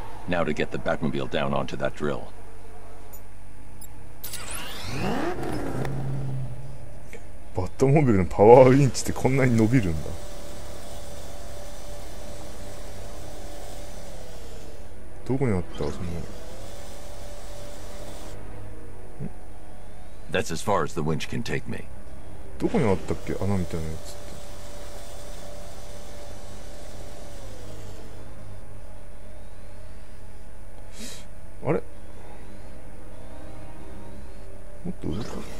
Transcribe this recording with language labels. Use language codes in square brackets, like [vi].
[en] Now to get the Batmobile down onto that drill. [ja] バットモービルのパワーウィンチってこんなに伸びるんだ。どこにあった、その。 [en] That's as far as the winch can take me. [ja] どこにあったっけ、穴みたいなやつって。あれ。もっと上か。